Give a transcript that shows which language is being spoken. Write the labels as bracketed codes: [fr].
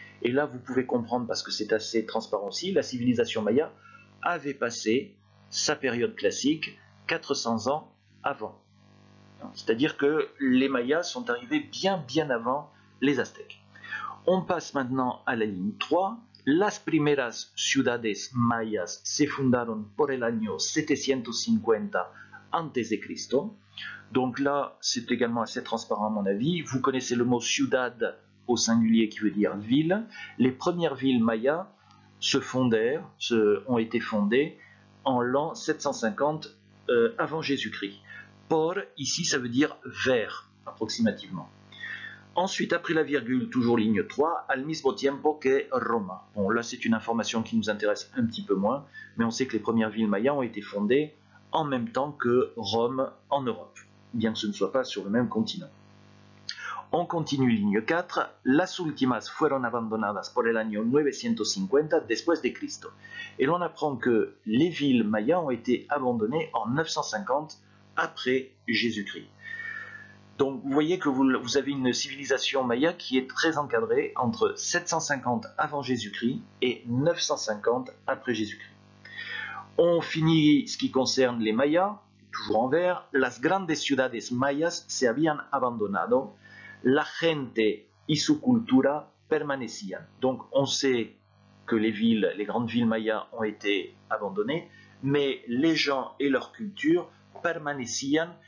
[fr] Et là, vous pouvez comprendre, parce que c'est assez transparent aussi, la civilisation maya avait passé sa période classique 400 ans avant. C'est-à-dire que les Mayas sont arrivés bien, bien avant les Aztèques. On passe maintenant à la ligne 3. [es] Las primeras ciudades mayas se fundaron por el año 750 antes de Cristo. [fr] Donc là, c'est également assez transparent à mon avis. Vous connaissez le mot « ciudad » au singulier qui veut dire « ville ». Les premières villes mayas ont été fondées en l'an 750 avant Jésus-Christ. « Por », ici, ça veut dire « vers », approximativement. Ensuite, après la virgule, toujours ligne 3, « [es] al mismo tiempo que Roma ». [fr] Bon, là, c'est une information qui nous intéresse un petit peu moins, mais on sait que les premières villes mayas ont été fondées en même temps que Rome en Europe, bien que ce ne soit pas sur le même continent. On continue ligne 4. [es] Las últimas fueron abandonadas por el año 950 después de Cristo. [fr] Et l'on apprend que les villes mayas ont été abandonnées en 950 après Jésus-Christ. Donc vous voyez que vous avez une civilisation maya qui est très encadrée entre 750 avant Jésus-Christ et 950 après Jésus-Christ. On finit ce qui concerne les mayas. toujours en vert, [es] las grandes ciudades mayas se habían abandonado, la gente y su cultura permanecían. [fr] Donc on sait que les villes, les grandes villes mayas ont été abandonnées, mais les gens et leur culture permanecían.